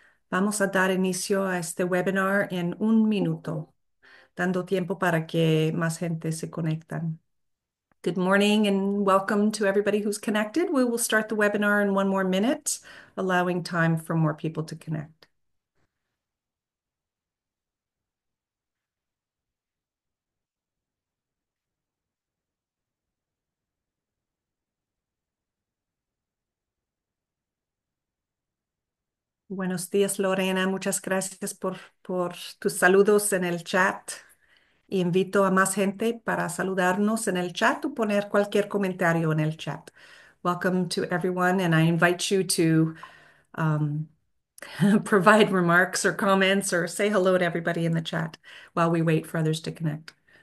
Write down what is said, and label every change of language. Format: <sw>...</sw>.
<es>Vamos a dar inicio a este webinar en un minuto, dando tiempo para que más gente se conecten.</es> <en>Good morning and welcome to everybody who's connected. We will start the webinar in one more minute, allowing time for more people to connect.</en> <es>Buenos días, Lorena. Muchas gracias por tus saludos en el chat. Invito a más gente para saludarnos en el chat o poner cualquier comentario en el chat.</es> <en>Welcome to everyone, and I invite you to provide remarks or comments or say hello to everybody in the chat while we wait for others to connect.</en>